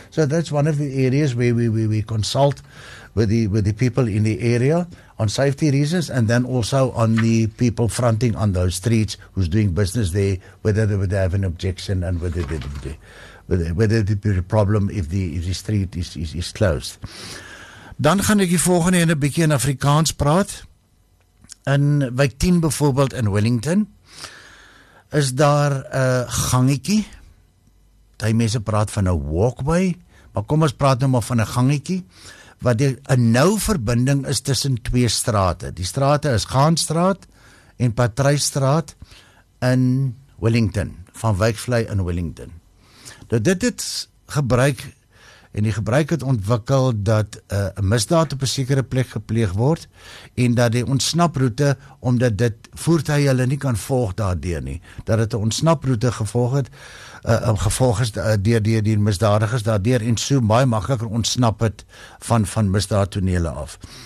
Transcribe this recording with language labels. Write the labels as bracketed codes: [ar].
[en] So that's one of the areas where we consult with the people in the area on safety reasons, and then also on the people fronting on those streets who's doing business there, whether they would have an objection and whether there would be a problem if the street is closed. [af] Dan gaan ek die volgende een 'n bietjie in Afrikaans praat. In wijk 10 byvoorbeeld in Wellington is daar 'n gangetjie. Die mense praat van 'n walkway, maar kom ons praat nou maar van 'n gangetjie wat 'n nou verbinding is tussen twee strate. Die strate is Gaanstraat en Patrysstraat in Wellington, van Wijkvlei in Wellington. Nou dit het gebruik en die gebruik het ontwikkel dat 'n misdaad op 'n sekere plek gepleeg word en dat die ontsnaproute, omdat dit voertuie hulle nie kan volg daardeur nie, dat dit 'n ontsnaproute gevolg is deur die misdadigers daardeur en so baie makliker ontsnap het van misdaadtonele af.